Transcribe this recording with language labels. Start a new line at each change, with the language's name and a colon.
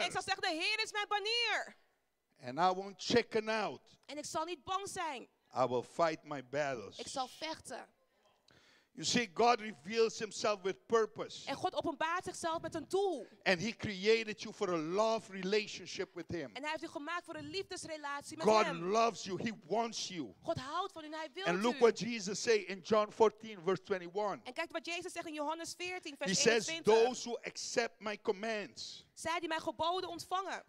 Dutch: En ik zal zeggen, de Heer is mijn banier.
English: And I won't chicken out.
Dutch: En ik zal niet bang zijn.
English: I will fight my battles.
Dutch: Ik zal vechten.
English: You see, God reveals Himself with purpose.
Dutch: En God openbaart zichzelf met een doel.
English: And He created you for a love relationship with Him.
Dutch: En Hij heeft u gemaakt voor een liefdesrelatie met
English: God
Dutch: Hem.
English: God loves you. He wants you.
Dutch: God houdt van u en Hij wil u.
English: And look what Jesus say in John 14, verse 21.
Dutch: En kijk wat Jezus zegt in Johannes 14, vers
English: He
Dutch: 21.
English: He says, those who accept my commands.
Dutch: Zij die mijn geboden ontvangen.